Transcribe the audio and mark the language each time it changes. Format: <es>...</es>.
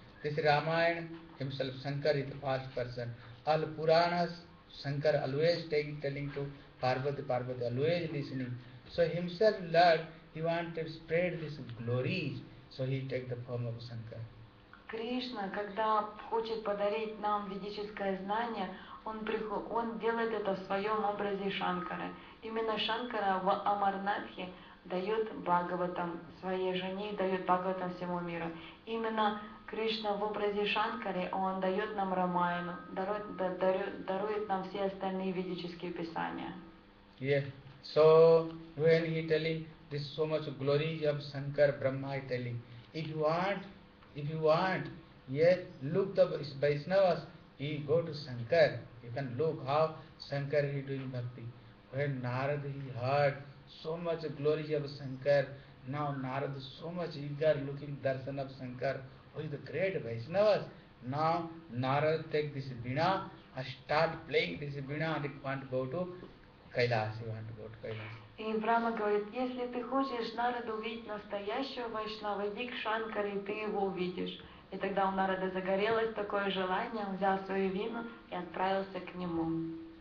<en>This Ramayana, himself Shankar is the first person. All Puranas, Shankar always telling to Parvati, Parvati, always listening. So himself Lord, he wants to spread this glory. So he takes the form of Shankar.</en> <ru>Krishna, когда хочет подарить нам ведическое знание, он делает это в своем образе Шанкара. Именно Шанкара в Амарнатхе дает Бхагаватам своей жене, дает Бхагаватам всему миру. Именно Кришна в образе Шанкары, он дает нам Рамаяну, дарует нам все остальные ведические писания.</ru> <en>Yeah. So when he telling this so much glory of Shankar Brahma, he telling, if you want, yeah, look the Vaishnavas, he go to Shankar. You can look how Shankar he doing bhakti. When Narada he heard so much glory of Shankar, now Narada so much eager looking darshan of Shankar. Who is the great Vaishnavas? Now Narada take this Veena and start playing this Veena and he want to go to Kailas.</en> <ru>And Brahma говорит, если ты хочешь Нараду видеть настоящего Вайшнава, иди к Шанкаре, и ты его увидишь. И тогда у Нарады загорелось такое желание, он взял свою вину и отправился к нему.</ru>